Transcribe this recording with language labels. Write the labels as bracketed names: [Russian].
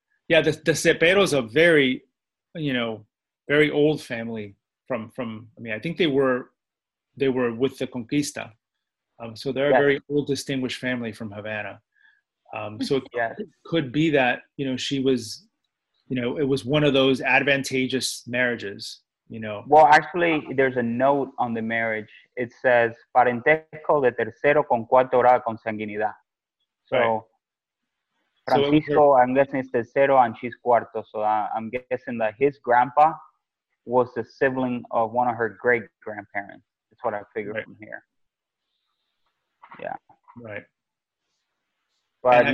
[English] Yeah, the Ceperos are very, you know, very old family from, I mean, I think they were with the Conquista. So they're a very old, distinguished family from Havana. So it could be that, you know, she was, you know, it was one of those advantageous marriages. You know. Well, actually, there's a note on the marriage. It says, [Spanish] parentesco de tercero con cuarto grado con sanguinidad. [English] So, right. Francisco, so I'm guessing it's tercero and she's cuarto. So I'm guessing that his grandpa was the sibling of one of her great grandparents. That's what I figured from here. Yeah. Right.